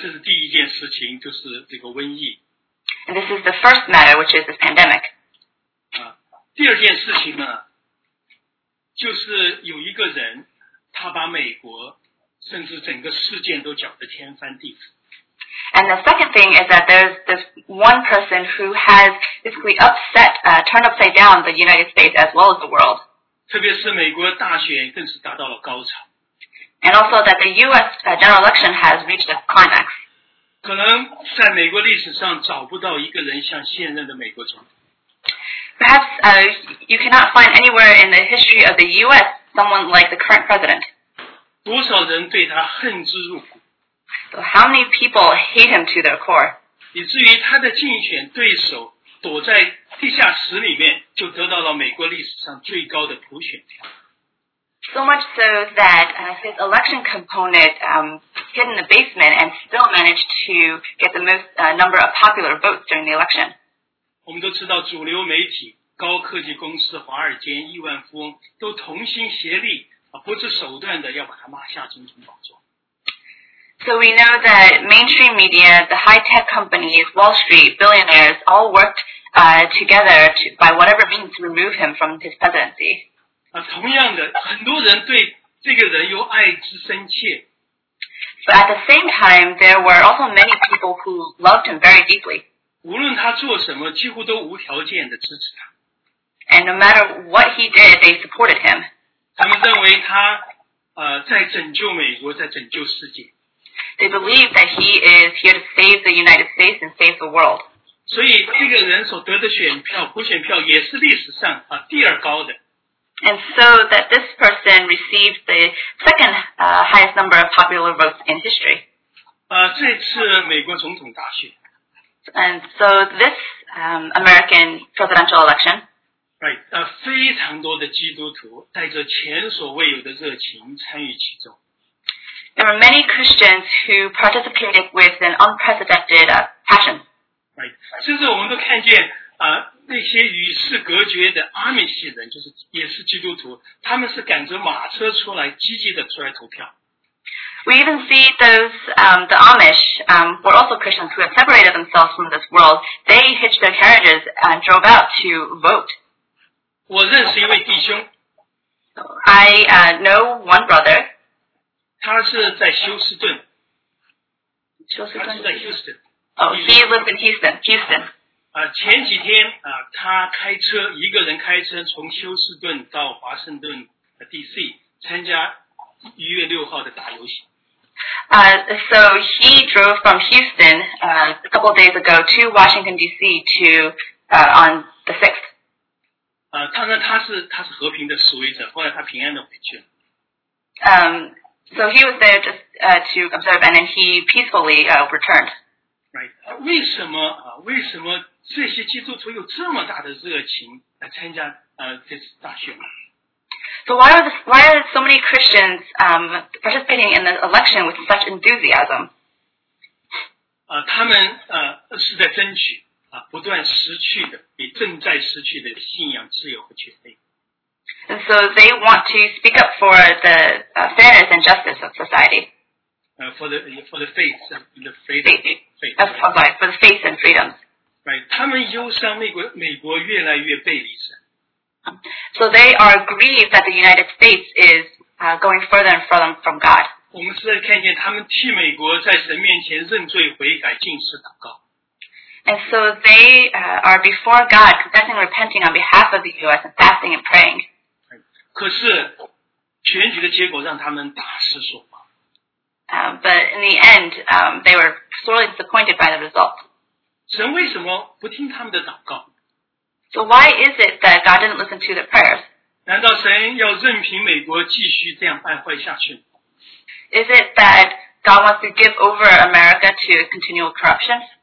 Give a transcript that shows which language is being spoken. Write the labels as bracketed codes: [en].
[zh] 这是第一件事情，就是这个瘟疫。 [en] And this is the first matter, which is this pandemic. [zh] 第二件事情呢，就是有一个人，他把美国，甚至整个世界都搅得天翻地覆。 [en] And the second thing is that there's this one person who has basically upset, turned upside down the United States as well as the world. [zh] 特别是美国大选更是达到了高潮。 [en] And also that the U.S. general election has reached a climax. [zh] 可能在美国历史上找不到一个人像现任的美国总统。 [en] Perhaps, you cannot find anywhere in the history of the U.S. someone like the current president. [zh] 多少人对他恨之入骨。 [en] So how many people hate him to their core? [zh] 以至于他的竞选对手躲在地下室里面，就得到了美国历史上最高的普选票。 [en] So much so that his election component hid in the basement and still managed to get the most number of popular votes during the election. [zh] 我们都知道，主流媒体、高科技公司、华尔街、亿万富翁都同心协力，不择手段的要把他骂下总统宝座。 [en] So we know that mainstream media, the high-tech companies, Wall Street, billionaires, all worked together to, by whatever means to remove him from his presidency. [zh] 同样的，很多人对这个人有爱之深切。 [en] But at the same time, there were also many people who loved him very deeply. [zh] 无论他做什么，几乎都无条件的支持他。 [en] And no matter what he did, they supported him. [zh] 他们认为他在拯救美国，在拯救世界。 [en] They believe that he is here to save the United States and save the world. [zh] 所以这个人所得的选票，普选票也是历史上第二高的。 [en] And so that this person received the second highest number of popular votes in history. [zh] 这次美国总统大选。 [en] And so this American presidential election. Right, [zh] 非常多的基督徒带着前所未有的热情参与其中。 [en] There were many Christians who participated with an unprecedented passion. Right. [zh] 甚至我们都看见那些与世隔绝的阿米西人，就是也是基督徒，他们是赶着马车出来，积极的出来投票。 [en] We even see those, the Amish, were also Christians who have separated themselves from this world. They hitched their carriages and drove out to vote. [zh] 我认识一位弟兄。 [en] I know one brother. [zh] 他是在休斯顿。 [en] He lives in Houston. Houston. [zh] 前几天他开车，一个人开车从休斯顿到华盛顿 DC 参加1月6号的大游行。 [en] So he drove from Houston a couple of days ago to Washington DC to on the 6th. [zh] 他是和平的示威者，后来他平安的回去了。 [en] So he was there just to observe, and then he peacefully returned. Right. [zh] 为什么这些基督徒有这么大的热情来参加这次大选？ [en] So why are so many Christians participating in the election with such enthusiasm? [zh] 他们是在争取不断失去的，也正在失去的信仰自由和权利。 [en] And so they want to speak up for the fairness and justice of society. For the faith, the faith, faith. for the faith and freedom. Right. [zh] 他们忧伤美国越来越背离神。 [en] So they are grieved that the United States is going further and further from God. [zh] 我们是在看见他们替美国在神面前认罪悔改进食祷告。 [en] And so they are before God confessing and repenting on behalf of the U.S. and fasting and praying. [zh] 可是选举的结果让他们大失所望。 [en] But in the end, they were sorely disappointed by the result. [zh] 神为什么不听他们的祷告？ [en] So why is it that God didn't listen to their prayers? [zh] 难道神要任凭美国继续这样败坏下去？ [en] Is it that God wants to give over America to continual corruption?